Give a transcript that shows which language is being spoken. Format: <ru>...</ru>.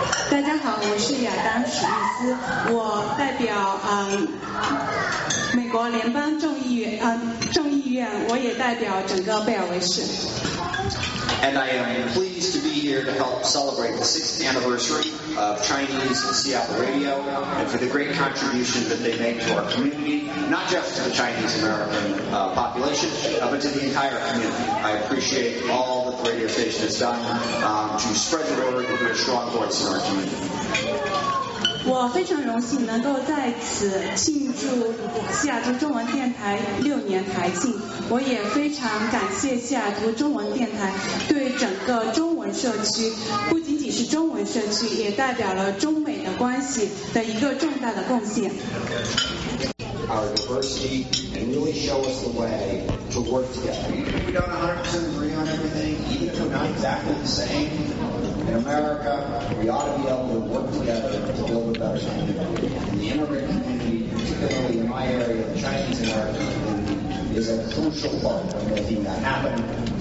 <zh>大家好，我是亚当·史密斯，我代表美国联邦众议院，我也代表整个贝尔维市。</zh> <en>And I am pleased to be here to help celebrate the 6th anniversary of Chinese in Seattle Radio and for the great contribution that they make to our community, not just to the Chinese American population, but to the entire community. I appreciate all that the radio station has done to spread the word and be a strong voice in our community.</en> <zh>我非常荣幸能够在此庆祝西雅图中文电台6年台庆，我也非常感谢西雅图中文电台对整个中文社区，不仅仅是中文社区，也代表了中美的关系的一个重大的贡献。</zh> <en>Our diversity and really show us the way to work together. We don't 100% agree on everything, even if we're not exactly the same. In America, we ought to be able to work together to build a better community. And the immigrant community, particularly in my area, the Chinese American community, is a crucial part of making that happen.</en>